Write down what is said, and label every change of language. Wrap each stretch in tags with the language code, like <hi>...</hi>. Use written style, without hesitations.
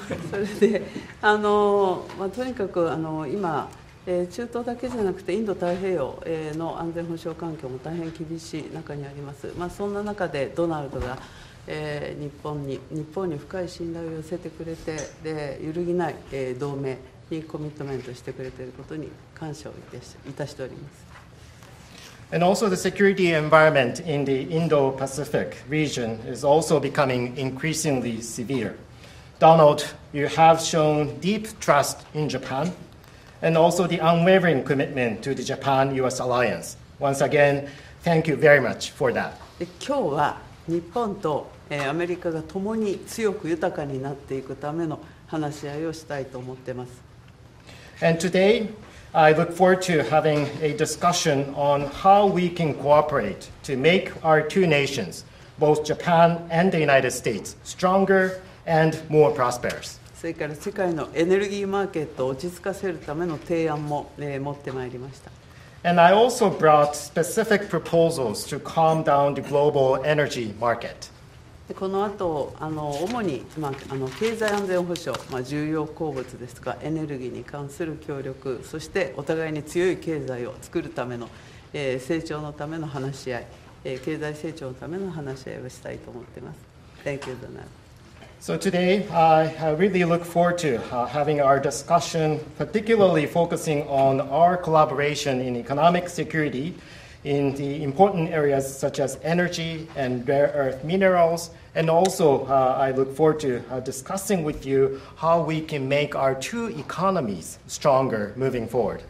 <ja>それで、とにかく今、中東だけじゃなくてインド太平洋の安全保障環境も大変厳しい中にあります、そんな中でドナルドが日本に深い信頼を寄せてくれて、で揺るぎない同盟にコミットメントしてくれていることに感謝をいたしております。</ja> <en>And also the security environment in the Indo-Pacific region is also becoming increasingly severe. Donald, you have shown deep trust in Japan and also the unwavering commitment to the Japan-US alliance. Once again, thank you very much for that.</en> <ja>今日は日本とアメリカが共に強く豊かになっていくための話し合いをしたいと思っています。</ja> <en>And today,I look forward to having a discussion on how we can cooperate to make our two nations, both Japan and the United States, stronger and more prosperous.</en> <ja>それから世界のエネルギーマーケットを落ち着かせるための提案も、持ってまいりました。</ja> <en>And I also brought specific proposals to calm down the global energy market.</en> <ja>この後、主に、経済安全保障、重要鉱物ですとかエネルギーに関する協力、そしてお互いに強い経済を作るための、成長のための話し合い、経済成長のための話し合いをしたいと思っています。</ja> <en>Thank you, Donald. So today, I really look forward to having our discussion, particularly focusing on our collaboration in economic securityin the important areas such as energy and rare earth minerals, and also I look forward to discussing with you how we can make our two economies stronger moving forward.</en>